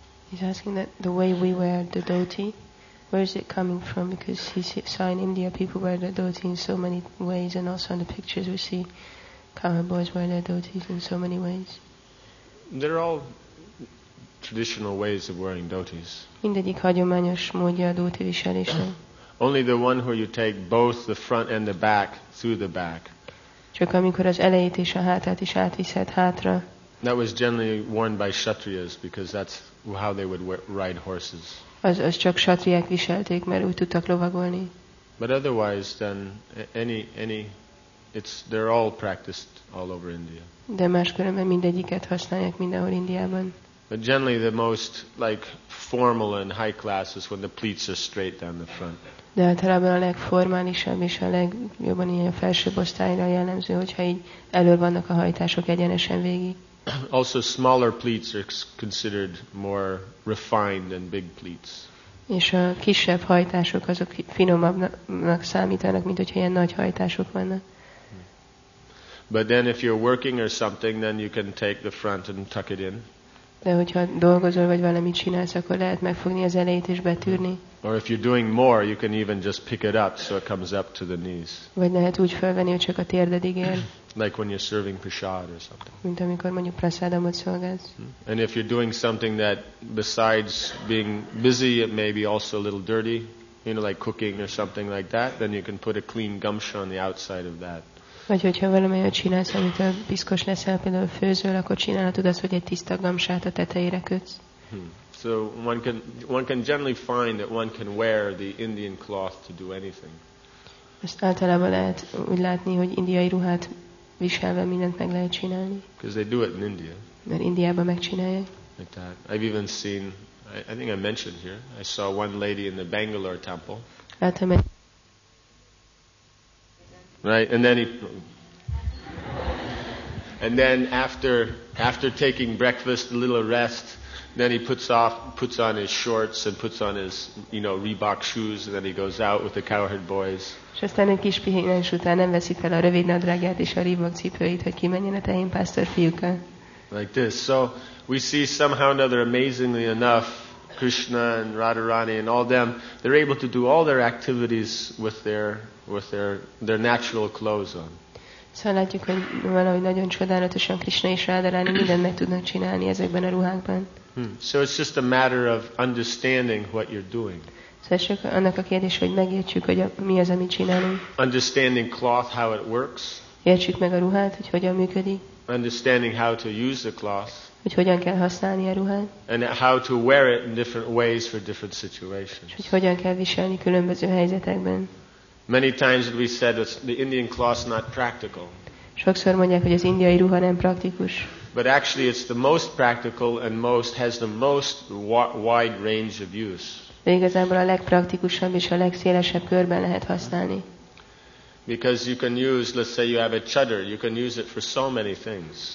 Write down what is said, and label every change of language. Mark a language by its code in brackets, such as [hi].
[en] He's asking that the way we wear the dhoti, where is it coming from? Because he saw in India people wear the dhoti in so many ways, and also in the pictures we see Kamal boys wear their dhotis in so many ways. They're all traditional ways of wearing dhotis. [hu] Mindegyik hagyományos módja a dhoti viselésnek. [en] Only the one where you take both the front and the back through the back. [hu] Csak amikor az elejét és a hátát is átviszed hátra. [en] That was generally worn by kshatriyas because that's how they would ride horses. [hu] Az csak kshatriyák viselték, mert úgy tudtak lovagolni. [en] But otherwise then any it's they're all practiced all over India. [hu] De máskülönben mindegyiket használják mindenhol Indiában. [en] But generally the most like formal and high class is when the pleats are straight down the front. [hu] De általában a legformálisabb és a legjobban ilyen felsőbb osztályra jellemző, hogyha így elől vannak a hajtások egyenesen végig. [en] Also smaller pleats are considered more refined than big pleats. [hu] És a kisebb hajtások azok finomabbnak számítanak, mint hogyha ilyen nagy hajtások vannak. [en] But then if you're working or something, then you can take the front and tuck it in. [hu] De hogyha dolgozol vagy valamit csinálsz, akkor lehet megfogni az elejét és betűrni. [en] Or if you're doing more, you can even just pick it up so it comes up to the knees. [hu] Vagy lehet úgy felvenni, hogy csak a térdedig ér. [en] Like when you're serving prasad or something. [hu] Mint amikor mondjuk prasadamot szolgálsz. [en] And if you're doing something that besides being busy, it may be also a little dirty, you know, like cooking or something like that, then you can put a clean gumsha on the outside of that. [hu] Vagy hogyha valamelyet csinálsz, amitől piszkos leszel, például főzöl, akkor csinálhatod azt, hogy egy tiszta gamsát a tetejére kötsz. [en] So one can generally find that one can wear the Indian cloth to do anything. [hu] Ezt általában lehet úgy látni, hogy indiai ruhát viselve mindent meg lehet csinálni. [en] Because they do it in India. [hu] Mert Indiában megcsinálják. [en] Like that. I've even seen, I think I mentioned here, I saw one lady in the Bangalore temple. [hu] Láttam. [en] Right, and then after taking breakfast, a little rest, then he puts on his shorts and puts on his, you know, Reebok shoes, and then he goes out with the cowherd boys. [hu] És aztán egy kis pihenés után nem veszi fel a rövid nadrágját és a Reebok cipőit, hogy kimenjen a tehén pásztor fiúkkal. [en] Like this, so we see somehow or another, amazingly enough, Krishna and Radharani and all them, they're able to do all their activities with their natural clothes on. [hu] Szóval látjuk, hogy valahogy nagyon csodálatosan Krishna és Radharani mindent meg tudnak csinálni ezekben a ruhákban. [en] So it's just a matter of understanding what you're doing. [hu] Szóval csak annak a kérdés, hogy megértsük, hogy mi az, amit csinálunk. [en] Understanding cloth, how it works. [hu] Értsük meg a ruhát, hogy hogyan működik. [en] Understanding how to use the cloth. [hu] Hogy hogyan kell használni a ruhát. [en] And how to wear it in different ways for different situations. [hu] Hogy hogyan kell viselni különböző helyzetekben. [en] Many times we said that the Indian cloth not practical. [hu] Sokszor mondják, hogy az indiai ruha nem praktikus. [en] But actually it's the most practical and most has the most wide range of use. [hu] De igazából a legpraktikusabb és a legszélesebb körben lehet használni. [en] Because you can use, let's say you have a chador, you can use it for so many things.